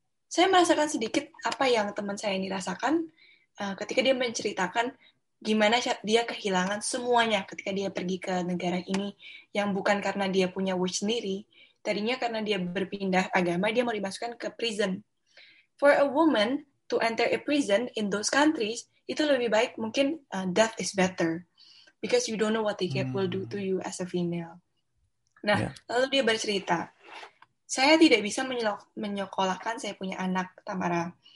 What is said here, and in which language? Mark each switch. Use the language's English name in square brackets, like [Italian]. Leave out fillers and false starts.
[Indonesian] Saya merasakan sedikit apa yang teman saya ini rasakan ketika dia menceritakan gimana dia kehilangan semuanya ketika dia pergi ke negara ini yang bukan karena dia punya wish sendiri, tadinya karena dia berpindah agama, dia mau dimasukkan ke prison. [English] For a woman to enter a prison in those countries, [Indonesian] itu lebih baik mungkin [English] death is better because you don't know what they will do to you as a female. [Indonesian] Nah, Ya. lalu dia bercerita, saya tidak bisa menyekolahkan saya punya anak, Tamara.